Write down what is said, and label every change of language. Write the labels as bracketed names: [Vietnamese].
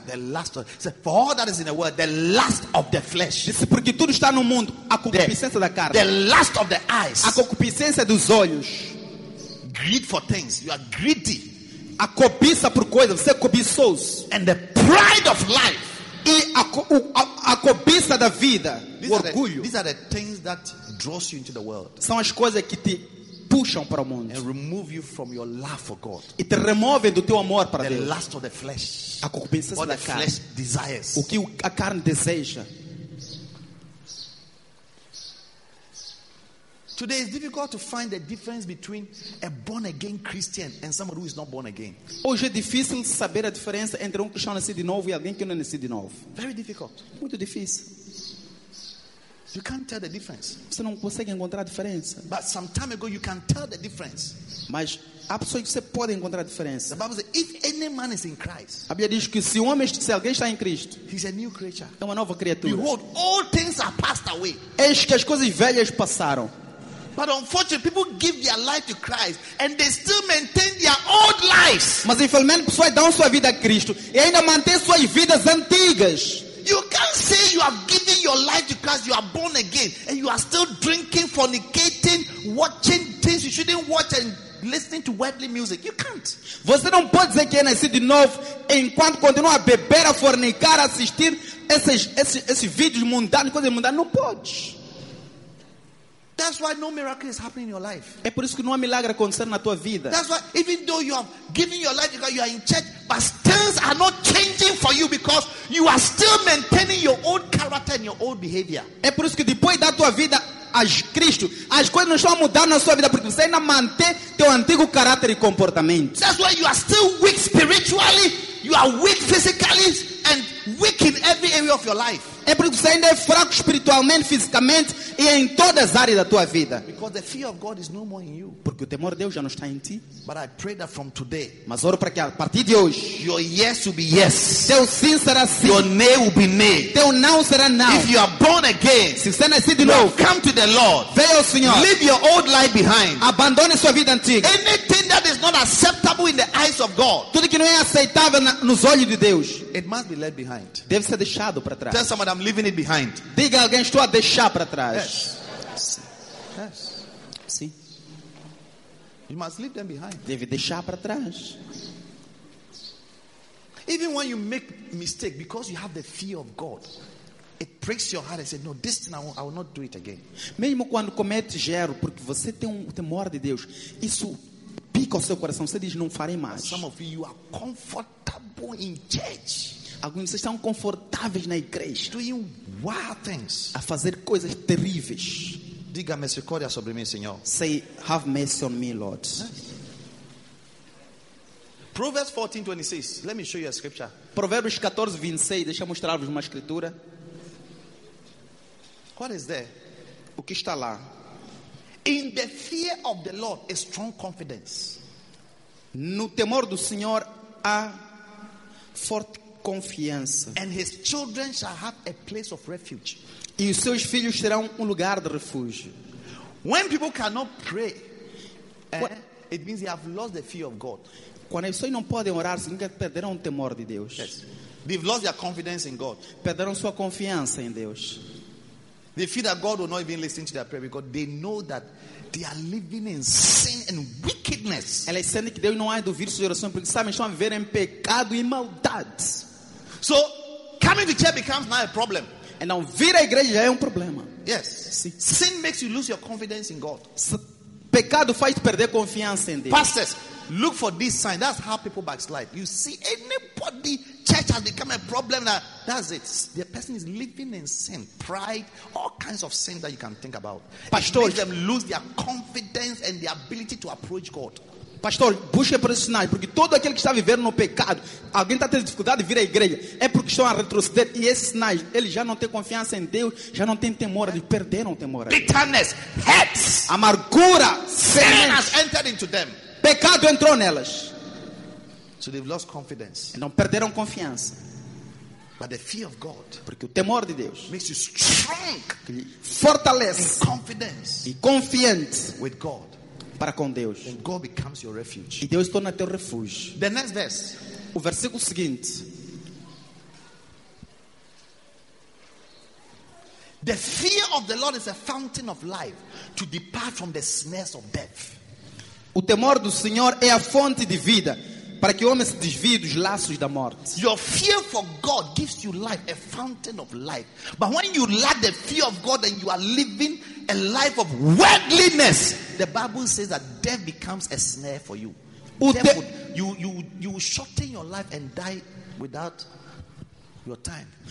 [English] The lust of, for all that is in the world, the lust of the flesh. [Portuguese] Disse porque tudo está no mundo, a concupiscência da carne. [English] The lust of the eyes. [Portuguese] A concupiscência dos olhos. [English] Greed for things. You are greedy. [Portuguese] A cobiça por coisas. Você é cobiçoso. [English] And the pride of life. [Portuguese] E a cobiça da vida, [English] these [Portuguese] o orgulho, [English] the, are the things that draws you into the world. [Portuguese] São as coisas que te puxam para o mundo. [English] And remove you from your love for God. [Portuguese] E te removem do teu amor para [English] the [Portuguese] Deus. [English] The lust of the flesh. [Portuguese] A concupiscência da carne. [English] Flesh desires. [Portuguese] O que a carne deseja. [English] Today it's difficult to find the difference between a born again Christian and someone who is not born again. [Portuguese] Hoje é difícil saber a diferença entre cristão nascido de novo e alguém que não é nascido de novo. [English] Very difficult. [Portuguese] Muito difícil. [English] You can't tell the difference. [Portuguese] Você não consegue encontrar a diferença. [English] But some time ago you can tell the difference. [Portuguese] Mas há pessoas que você pode encontrar a diferença. [English] The Bible says, if any man is in Christ. [Portuguese] A Bíblia diz que se um homem, se alguém está em Cristo, [English] he's a new creature. [Portuguese] É uma nova criatura. [English] Behold, all things are passed away. [Portuguese] Eis que as coisas velhas passaram. [English] But unfortunately, people give their life to Christ and they still maintain their old lives. [Portuguese] Mas infelizmente, pessoas dão sua vida a Cristo e ainda mantêm suas vidas antigas. [English] You can't say you are giving your life to Christ, you are born again, and you are still drinking, fornicating, watching things you shouldn't watch and listening to worldly music. You can't. [Portuguese] Você não pode dizer que é nascido de novo enquanto continua a beber, a fornicar, a assistir esses vídeos mundanos, coisas mundanas. Não pode. [English] That's why no miracle is happening in your life. [Portuguese] É por isso que não há milagre acontecendo na tua vida. [English] That's why, even though you are giving your life, because you are in church, but things are not changing for you because you are still maintaining your old character and your old behavior. [Portuguese] É por isso que depois da tua vida a Cristo, as coisas não estão mudando na sua vida porque você ainda mantém teu antigo caráter e comportamento. [English] That's why you are still weak spiritually, you are weak physically, and weak in every area of your life. [Portuguese] É porque você ainda é fraco espiritualmente, fisicamente e em todas as áreas da tua vida. [English] Because the fear of God is no more in you. [Portuguese] Porque o temor de Deus já não está em ti. [English] But I pray that from today, [Portuguese] mas oro para que a partir de hoje, [English] your yes will be yes. [Portuguese] Teu sim será sim. [English] Your nay will be nay. [Portuguese] Teu não será não. [English] If you are born again, [Portuguese] se você nascer de novo, [English] come to the Lord. [Portuguese] Venha ao Senhor. [English] Leave your old life behind. [Portuguese] Abandone sua vida antiga. [English] Anything that is not acceptable in the eyes of God, [Portuguese] tudo que não é aceitável nos olhos de Deus, [English] it must be left behind. [Portuguese] Deve ser deixado para trás. [English] Tell someone, I'm leaving it behind. [Portuguese] Diga alguém, estou a deixar para trás. [English] Yes. Yes. [Portuguese] Sim. [English] You must leave them behind. [Portuguese] Deve deixar para trás. [English] Even when you make mistake because you have the fear of God, it breaks your heart and say, no, this thing I will not do it again. [Portuguese] Mesmo quando comete erro porque você tem um temor de Deus, isso pica o seu coração, você diz não farei mais. [English] Some of you are comfortable in church. [Portuguese] Alguns de vocês estão confortáveis na igreja. [English] Doing wild things. [Portuguese] A fazer coisas terríveis. Diga misericórdia sobre mim, Senhor. [English] Say, have mercy on me, Lord. Proverbs 14:26. Let me show you a scripture. [Portuguese] Provérbios 14:26. Deixa eu mostrar-vos uma escritura. [English] What is there? [Portuguese] O que está lá? [English] In the fear of the Lord is strong confidence. [Portuguese] No temor do Senhor há forte confiança. [English] And his children shall have a place of refuge. [Portuguese] E os seus filhos terão lugar de refúgio. [English] When people cannot pray, it means they have lost the fear of God. [Portuguese] Quando as pessoas não podem orar, significa que perderão o temor de Deus. [English] Yes. They've lost their confidence in God. [Portuguese] Perderam sua confiança em Deus. [English] They fear that God will not even listen to their prayer because they know that they are living in sin and wickedness. [Portuguese] Elas sentem que Deus não vai ouvir suas orações porque sabem que estão a viver em pecado e maldade. [English] So coming to church becomes now a problem. [Portuguese] Então vir à igreja já é problema. [English] Yes. [Portuguese] Sim. [English] Sin makes you lose your confidence in God. [Portuguese] Pecado faz perder confiança em Deus. [English] Pastors, look for this sign. That's how people backslide. You see anybody, church has become a problem. That, that's it. The person is living in sin, pride, all kinds of sin that you can think about. Pastor, it makes them lose their confidence and the ability to approach God. [Portuguese] Pastor, busque por esses sinais, porque todo aquele que está vivendo no pecado, alguém está tendo dificuldade de vir à igreja, é porque estão a retroceder, e esses sinais, ele já não tem confiança em Deus, já não tem temor, eles perderam o temor. [English] Bitterness, hurts, [Portuguese] amargura, [English] sin has entered into them. [Portuguese] Pecado entrou nelas. [English] So they've lost confidence. [Portuguese] E não perderam confiança. [English] But the fear of God, [Portuguese] porque o temor de Deus, [English] makes you strong, [Portuguese] fortalece, [English] in confidence, [Portuguese] e confiante [English] with God. [Portuguese] Para com Deus. [English] And God becomes your refuge. [Portuguese] E Deus torna teu refúgio. [English] The next verse. [Portuguese] O versículo seguinte. [English] The fear of the Lord is a fountain of life to depart from the snares of death. [Portuguese] O temor do Senhor é a fonte de vida para que o homem se desvie dos laços da morte. [English] Your fear for God gives you life, a fountain of life. But when you lack the fear of God and you are living a life of worldliness, the Bible says that death becomes a snare for you. You will shorten your life and die without your time.